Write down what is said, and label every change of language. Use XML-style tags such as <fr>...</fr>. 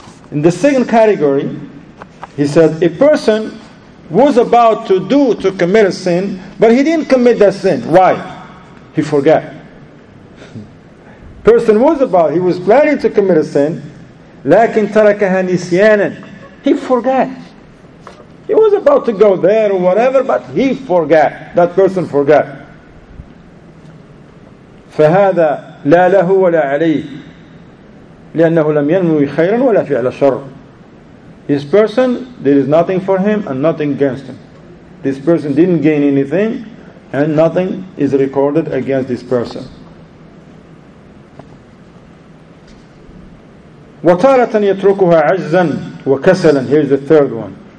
<en>In the second category, he said, a person was about to commit a sin, but he didn't commit that sin. Why? He forgot. Person was about, he was planning to commit a sin,</en> <ar>لكن تركها نسيانا.</ar> <en>He forgot. He was about to go there or whatever, but he forgot. That person forgot.</en> <ar>فهذا لا له ولا عليه لأنه لم ينوي خيرا ولا فعل شر.</ar> <en>This person, there is nothing for him and nothing against him. This person didn't gain anything and nothing is recorded against this person.</en> <ar>وَتَارَةً يَتْرُكُهَا عَجْزًا وَكَسَلًا.</ar> <en>Here's the third one.</en>